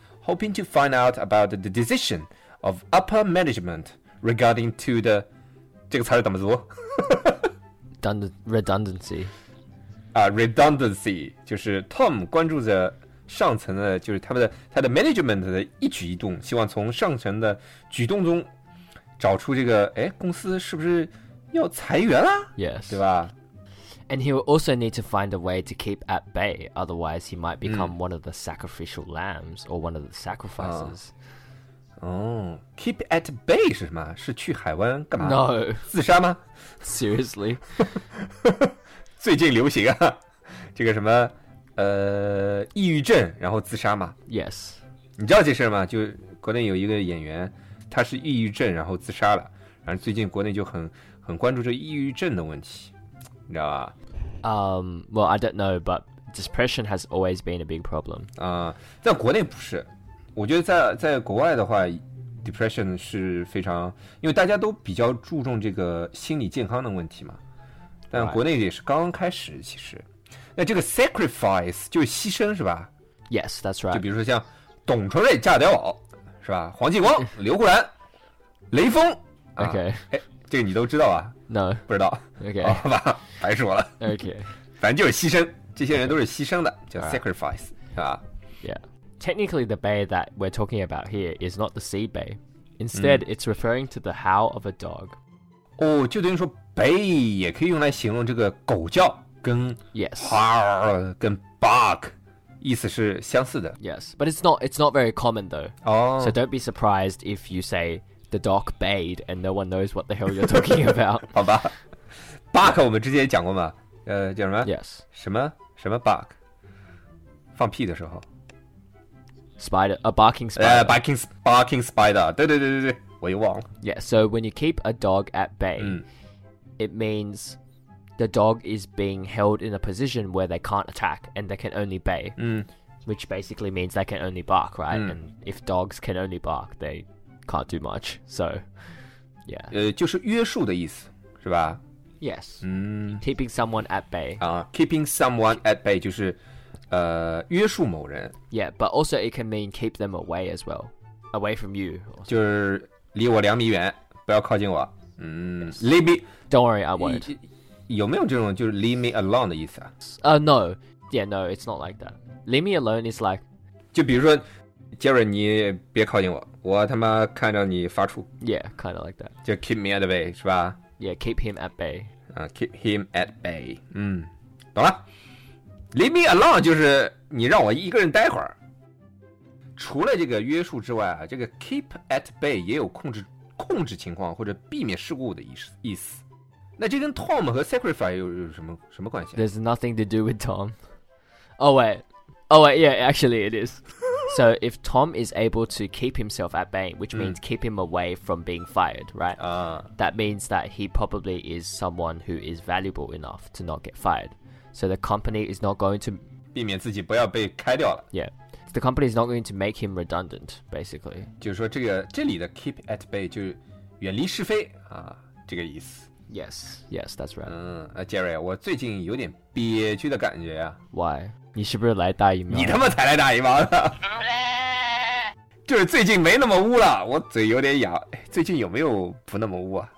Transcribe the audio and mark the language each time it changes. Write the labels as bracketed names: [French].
[English] Hoping to find out about the decision of upper management regarding to the [Chinese] 这个词儿怎么读 [English] redundancy. [Chinese] Redundancy 就是 Tom 关注着上层的，就是他的 management 的一举一动，希望从上层的举动中找出这个公司是不是要裁员啦、 [English] 啊、？Yes， [Chinese] 对吧？ [English] And he will also need to find a way to keep at bay, otherwise he might become one of the sacrificial lambs or one of the sacrifices. Keep at bay [Chinese] 是什么？是去海湾干嘛？ [English] No. [Chinese] 自杀吗？ [English] Seriously? [Chinese] 最近流行啊，这个什么抑郁症然后自杀嘛。 [English] Yes. [Chinese] 你知道这事吗？就国内有一个演员，他是抑郁症然后自杀了，然后最近国内就很关注这抑郁症的问题。 [English] Well, I don't know, but depression has always been a big problem. [Chinese] 在国内不是，我觉得在国外的话 depression 是非常，因为大家都比较注重这个心理健康的问题嘛。但国内也是刚刚开始，其实。那这个 sacrifice 就是牺牲是吧？ [English] Yes, that's right. [Chinese] 就比如说像董存瑞炸碉堡是吧？黄继光、刘胡兰、雷锋。 [English] OK， [Chinese] 哎，这个你都知道吧？ [English] No， [Chinese] 不知道。 [English] OK， [Chinese] 好吧，白说了。 [English] OK， [Chinese] 反正就是牺牲，这些人都是牺牲的， okay. 叫 sacrifice、 [English] right. [Chinese] 是吧？ [English] Yeah. Technically, the bay that we're talking about here is not the sea bay. Instead,、it's referring to the howl of a dog. [Chinese] 哦，就等于说 bay 也可以用来形容这个狗叫。跟 [English] yes, [Chinese] 跟 bark 意思是相似的。 [English] Yes, but it's not very common though. Oh, so don't be surprised if you say the dog bayed and no one knows what the hell you're talking about. [Chinese] 好吧 ，bark 我们之前讲过嘛？叫什么 [English] ？Yes, [Chinese] 什么 bark？ 放屁的时候 [English] ，spider a barking spider. [Chinese] Barking spider. 对，我又忘了。 [English] Yeah, so when you keep a dog at bay,、it means. The dog is being held in a position where they can't attack and they can only bay,、which basically means they can only bark, right?、And if dogs can only bark, they can't do much. So, yeah. [Chinese] 就是约束的意思，是吧？ [English] Yes.、Keeping someone at bay. Keeping someone at bay [Chinese] 就是约束某人。 [English] Yeah, but also it can mean keep them away as well. Away from you. [Chinese] 就是离我两米远，不要靠近我。 [English] Yes. Don't worry, I won't. [Chinese] 有没有这种就是 [English] leave me alone [Chinese] 的意思啊？ [English] No. Yeah, no, it's not like that. Leave me alone is like... [Chinese] 就比如说 Jerry, 你别靠近我。我他妈看着你发怵。 [English] Yeah, kind of like that. [Chinese] 就 [English] keep me at bay, [Chinese] 是吧？ [English] Yeah, keep him at bay. Keep him at bay. [Chinese] 懂了。 [English] Leave me alone [Chinese] 就是你让我一个人待会儿。除了这个约束之外啊，这个 [English] keep at bay [Chinese] 也有控制情况或者避免事故的意思。那这跟 Tom 和 Sacrifice 有什么关系、 [English] There's nothing to do with Tom. Oh wait, yeah, actually it is. So if Tom is able to keep himself at bay, which means keep him away from being fired, right? That means that he probably is someone who is valuable enough to not get fired. So the company is not going to... [Chinese] 避免自己不要被开掉了。 [English] Yeah. The company is not going to make him redundant, basically. [Chinese] 就是说这里的 keep at bay 就是远离是非啊，这个意思。 [English] Yes, that's right. [Chinese] Jerry, 我最近有点憋屈的感觉啊。 Why? 你是不是来大姨妈？你他妈才来大姨妈的。就是最近没那么污了，我嘴有点痒。最近有没有不那么污啊？